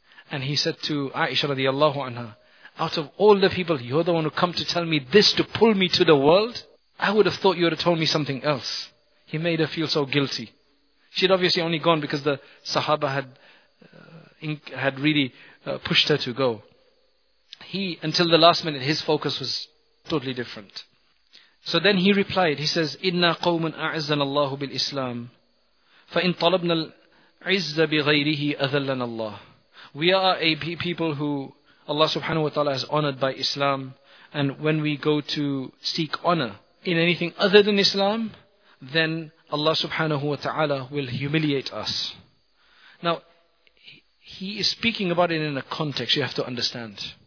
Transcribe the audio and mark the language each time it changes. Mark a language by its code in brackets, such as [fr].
[en] And he said to Aisha radiallahu anha, out of all the people, you're the one who come to tell me this, to pull me to the world? I would have thought you would have told me something else. He made her feel so guilty. She'd obviously only gone because the Sahaba had really pushed her to go. He, until the last minute, his focus was totally different. So then he replied, he says, [ar] إِنَّا قَوْمٌ أَعِزَّنَ اللَّهُ بِالْإِسْلَامِ فَإِنْ طَلَبْنَا الْعِزَّ بِغَيْرِهِ أَذَلَّنَا اللَّهُ. [en] We are a people who Allah subhanahu wa ta'ala has honored by Islam. And when we go to seek honor in anything other than Islam, then Allah subhanahu wa ta'ala will humiliate us. Now, he is speaking about it in a context you have to understand.